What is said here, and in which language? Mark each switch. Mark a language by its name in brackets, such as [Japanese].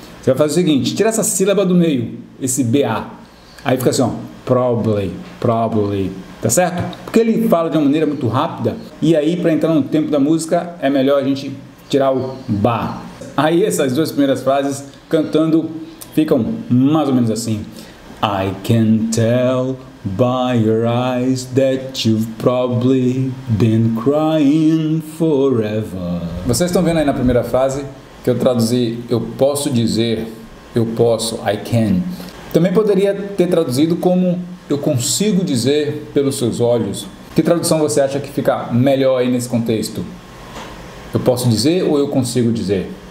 [Portuguese] Você vai fazer o seguinte, tira essa sílaba do meio, esse BA. Aí fica assim, ó, probably, tá certo? Porque ele fala de uma maneira muito rápida, e aí para entrar no tempo da música, é melhor a gente tirar o BA. Aí essas duas primeiras frases, cantando, ficam mais ou menos assim. [English] I can tell by your eyes that you've probably been crying forever. [Portuguese] Vocês estão vendo aí na primeira frase? Que eu traduzi, eu posso dizer, eu posso, [English] I can. [Portuguese] Também poderia ter traduzido como, eu consigo dizer pelos seus olhos. Que tradução você acha que fica melhor aí nesse contexto? Eu posso dizer ou eu consigo dizer?